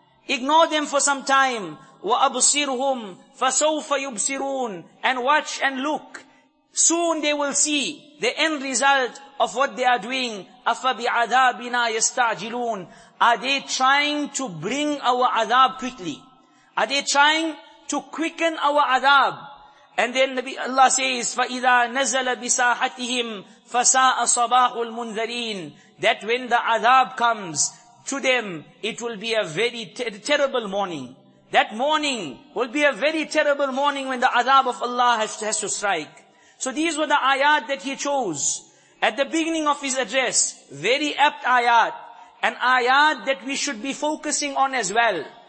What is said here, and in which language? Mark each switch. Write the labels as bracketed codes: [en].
[en] Ignore them for some time. [ar] Wa absirhum fasawfa yubsirun. [en] And watch and look. Soon they will see the end result of what they are doing. [ar] أَفَبِعَذَابِنَا يَسْتَعْجِلُونَ. [en] Are they trying to bring our adab quickly? Are they trying to quicken our adab? And then Allah says, [ar] فَإِذَا نَزَلَ بِسَاحَتِهِمْ فَسَاءَ صَبَاحُ الْمُنذَرِينَ. [en] That when the adab comes to them, it will be a very terrible morning. That morning will be a very terrible morning when the adab of Allah has to strike. So these were the ayat that he chose at the beginning of his address. Very apt ayat. An ayat that we should be focusing on as well.